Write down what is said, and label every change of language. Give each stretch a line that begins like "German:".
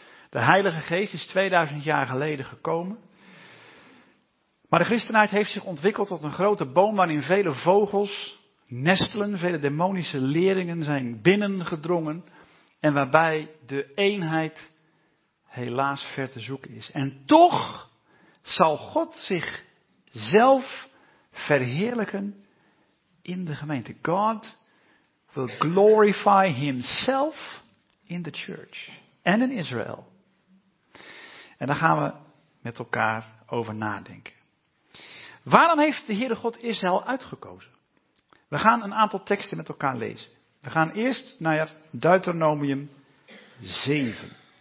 Dutch: De Heilige Geest is 2000 jaar geleden gekomen. Maar de christenheid heeft zich ontwikkeld tot een grote boom waarin vele vogels nestelen, vele demonische leringen zijn binnengedrongen en waarbij de eenheid helaas ver te zoeken is. En toch zal God zichzelf verheerlijken in de gemeente.
English: God will glorify himself in the church
Dutch: en in Israel. En daar gaan we met elkaar over nadenken. Waarom heeft de Heere God Israël uitgekozen? We gaan een aantal teksten met elkaar lezen. We gaan eerst naar Deuteronomium 7.